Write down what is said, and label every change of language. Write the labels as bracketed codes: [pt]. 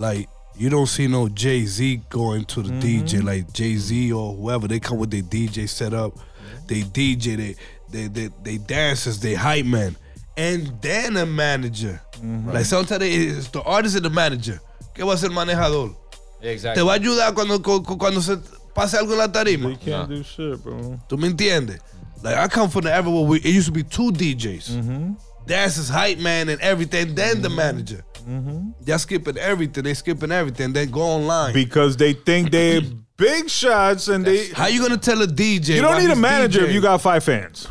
[en] Like, you don't see no Jay-Z going to the DJ. Like, Jay-Z or whoever, they come with their DJ set up. They DJ, they dancers, they hype man, and then a manager. Mm-hmm. Like sometimes it's the artist and the manager. [es] ¿Qué va a ser manejador? [en] Exactly. [es] Te va a ayudar cuando se pase algo en la tarima. [en] You can't do shit, bro. [es] ¿Tú me entiendes? [en] Like, I come from the era where it used to be two DJs. Mm-hmm. Dancers, hype man, and everything, then the manager. Mm-hmm. They're skipping everything. They go online. Because they think they... Big shots, and they... How you going to tell a DJ? You don't need a manager DJing. If you got 5 fans.